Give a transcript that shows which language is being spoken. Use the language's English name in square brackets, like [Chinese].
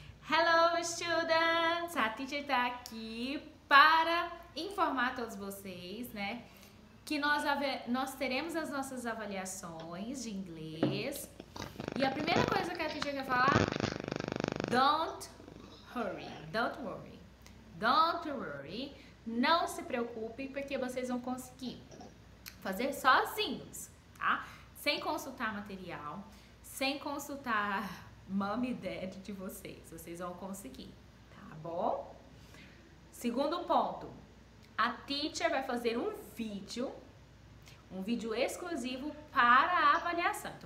[English] Hello, students! [Portuguese] A teacher está aqui para informar todos vocês, né? Que nós teremos as nossas avaliações de inglês. E a primeira coisa que a teacher quer falar: [English] don't hurry, don't worry, don't worry. [Portuguese] Não se preocupe, porque vocês vão conseguir fazer sozinhos, tá? Sem consultar material, sem consultar mom e dad de vocês. Vocês vão conseguir, tá bom? Segundo ponto, a teacher vai fazer um vídeo exclusivo para a avaliação.